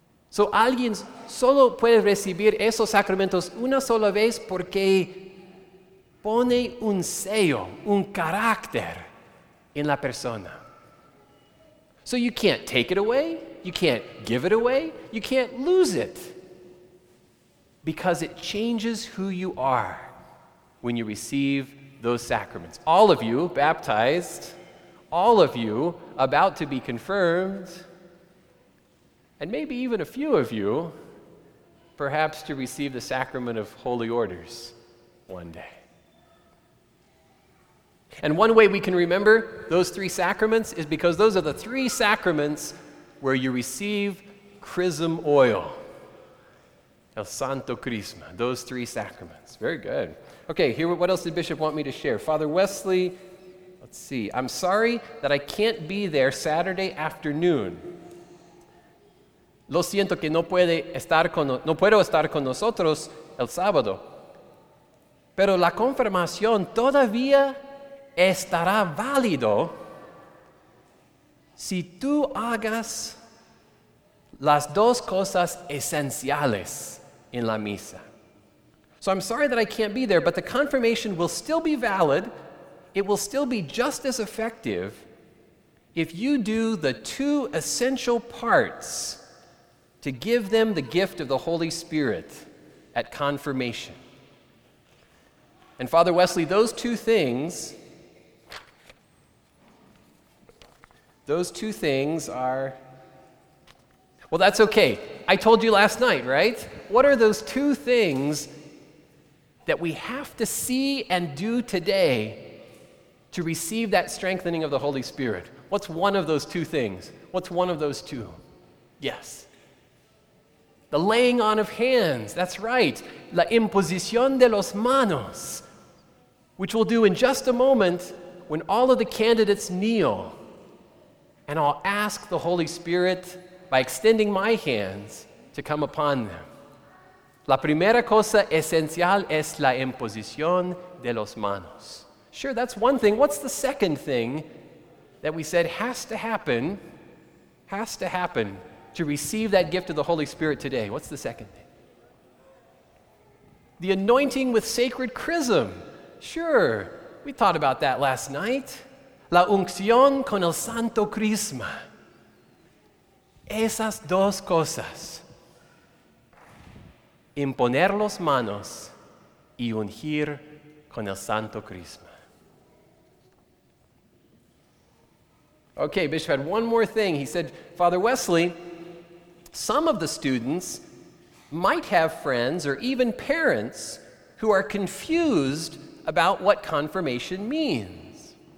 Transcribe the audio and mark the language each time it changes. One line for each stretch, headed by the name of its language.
Spanish: So alguien solo puede recibir esos sacramentos una sola vez porque pone un sello, un carácter en la persona.
English: So you can't take it away, you can't give it away, you can't lose it, because it changes who you are when you receive those sacraments. All of you baptized, all of you about to be confirmed, and maybe even a few of you, perhaps to receive the sacrament of holy orders one day. And one way we can remember those three sacraments is because those are the three sacraments where you receive chrism oil. El Santo Crisma, those three sacraments. Very good. Okay, here, what else did Bishop want me to share? Father Wesley, let's see. I'm sorry that I can't be there Saturday afternoon.
Spanish: Lo siento que no puedo estar con nosotros el sábado. Pero la confirmación todavía estará válido si tú hagas las dos cosas esenciales en la misa.
English: So I'm sorry that I can't be there, but the confirmation will still be valid. It will still be just as effective if you do the two essential parts to give them the gift of the Holy Spirit at confirmation. And Father Wesley, those two things are, Well, that's okay. I told you last night, right? What are those two things that we have to see and do today to receive that strengthening of the Holy Spirit? What's one of those two things? What's one of those two? Yes. The laying on of hands, that's right.
Spanish: La imposición de los manos,
English: which we'll do in just a moment when all of the candidates kneel. And I'll ask the Holy Spirit by extending my hands to come upon them.
Spanish: La primera cosa esencial es la imposición de los manos.
English: Sure, that's one thing. What's the second thing that we said has to happen to receive that gift of the Holy Spirit today? What's the second thing? The anointing with sacred chrism. Sure, we thought about that last night.
Spanish: La unción con el santo crisma. Esas dos cosas. Imponer las manos y ungir con el santo crisma.
English: Okay, Bishop had one more thing. He said, Father Wesley, some of the students might have friends or even parents who are confused about what confirmation means.